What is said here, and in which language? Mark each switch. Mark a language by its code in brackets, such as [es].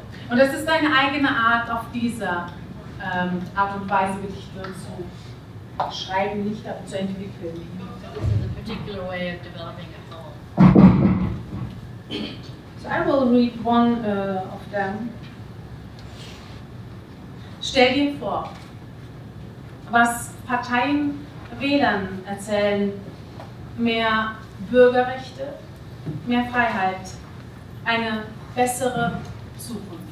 [de] Und das ist deine eigene Art, auf diese Art und Weise Gedichte zu schreiben, nicht aber zu entwickeln. [en] This is a particular way of developing a poem. So I will read one of them. [de] Stell dir vor, was Parteien Wählern erzählen, mehr Bürgerrechte, mehr Freiheit, eine bessere Zukunft.